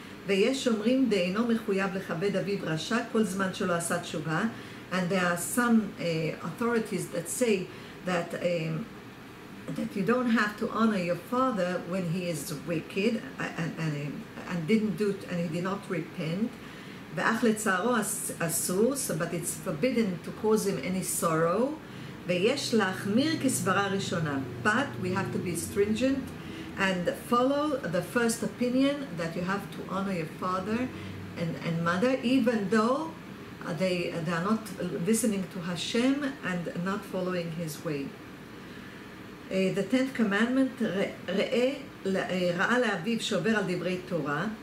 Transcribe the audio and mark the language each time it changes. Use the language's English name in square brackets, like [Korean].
[Hebrew] ויש אומרים דאינו מחויב לכבד אביו רשע כל זמן שלא עשה תשובה. [English] And there are some authorities that say that that you don't have to honor your father when he is wicked and didn't do it, and he did not repent. [Hebrew] ואח לצערו אסור, [English] but it's forbidden to cause him any sorrow. [Hebrew] ויש להחמיר כסברה ראשונה, [English] but we have to be stringent and follow the first opinion that you have to honor your father and mother, even though they are not listening to Hashem and not following his way. The 10th commandment, [Hebrew] ראה לאביו שעובר על דברי תורה.